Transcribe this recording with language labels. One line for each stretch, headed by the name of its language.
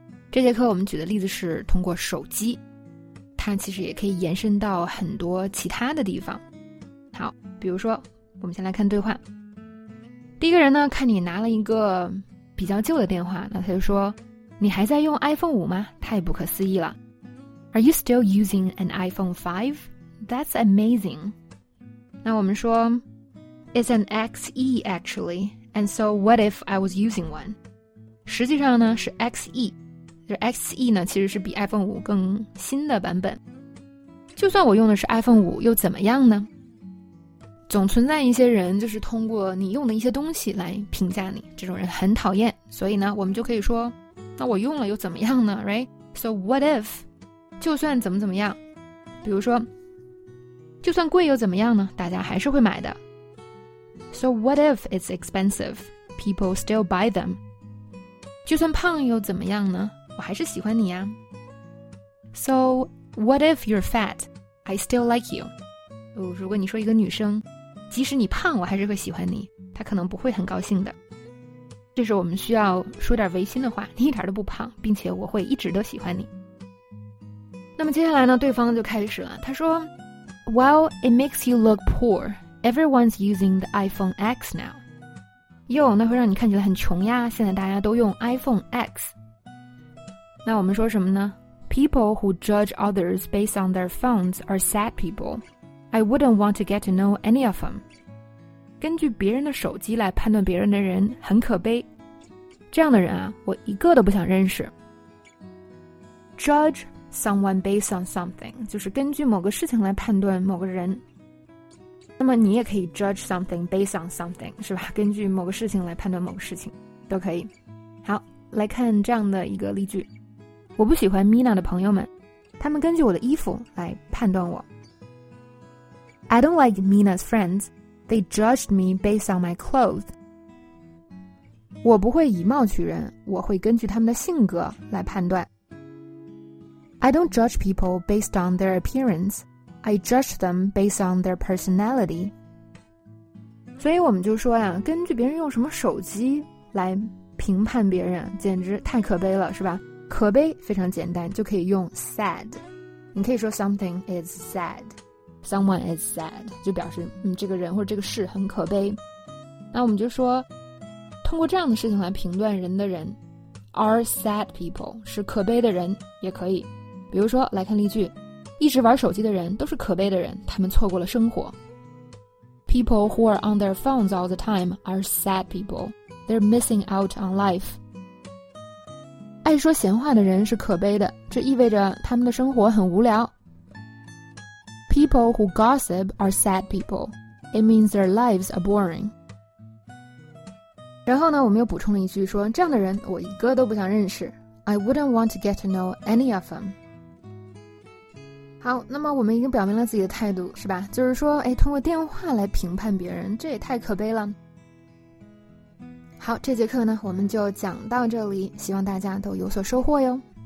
Chinese: 这节课我们举的例子是通过手机，它其实也可以延伸到很多其他的地方。好，比如说我们先来看对话。第一个人呢，看你拿了一个比较旧的电话，那他就说，你还在用 iPhone 5吗？太不可思议了。
English: Are you still using an iPhone 5? That's amazing.
Chinese: 那我们说
English: It's an XE actually. And so what if I was using one?
Chinese: 实际上呢是 XE。 XE 呢其实是比 iPhone 5更新的版本。就算我用的是 iPhone 5又怎么样呢？总存在一些人就是通过你用的一些东西来评价你，这种人很讨厌。所以呢我们就可以说，那我用了又怎么样呢？
English: Right? So what if?
Chinese: 就算怎么怎么样，比如说就算贵又怎么样呢，大家还是会买的。
English: So what if it's expensive? People still buy them.
Chinese: 就算胖又怎么样呢，我还是喜欢你呀。
English: So what if you're fat? I still like you.
Chinese: 如果你说一个女生即使你胖我还是会喜欢你，她可能不会很高兴的。这时候我们需要说点违心的话，你一点都不胖，并且我会一直都喜欢你。那么接下来呢，对方就开始了，他说
English: Well, it makes you look poor. Everyone's using the iPhone X now.
Chinese: 那会让你看起来很穷呀，现在大家都用 iPhone X. 那我们说什么呢？
English: People who judge others based on their phones are sad people. I wouldn't want to get to know any of them.
Chinese: 根据别人的手机来判断别人的人很可悲，这样的人啊，我一个都不想认识。
English: JudgeSomeone based on something
Chinese: 就是根据某个事情来判断某个人。那么你也可以
English: judge something based on something
Chinese: 是吧，根据某个事情来判断某个事情都可以。好，来看这样的一个例句。我不喜欢 Mina 的朋友们，他们根据我的衣服来判断我。
English: I don't like Mina's friends. They judged me based on my clothes.
Chinese: 我不会以貌取人，我会根据他们的性格来判断。
English: I don't judge people based on their appearance. I judge them based on their personality.
Chinese: 所以我们就说呀，根据别人用什么手机来评判别人，简直太可悲了，是吧？可悲非常简单，就可以用 sad. 你可以说
English: something is sad. Someone is sad.
Chinese: 就表示这个人或者这个事很可悲。那我们就说，通过这样的事情来评断人的人
English: are sad people.
Chinese: 是可悲的人也可以。比如说来看例句，一直玩手机的人都是可悲的人，他们错过了生活。
English: People who are on their phones all the time are sad people. They're missing out on life.
Chinese: 爱说闲话的人是可悲的，这意味着他们的生活很无聊。
English: People who gossip are sad people. It means their lives are boring.
Chinese: 然后呢，我们又补充了一句说，这样的人我一个都不想认识。
English: I wouldn't want to get to know any of them.
Chinese: 好，那么我们已经表明了自己的态度，是吧？就是说，通过电话来评判别人，这也太可悲了。好，这节课呢，我们就讲到这里，希望大家都有所收获哟。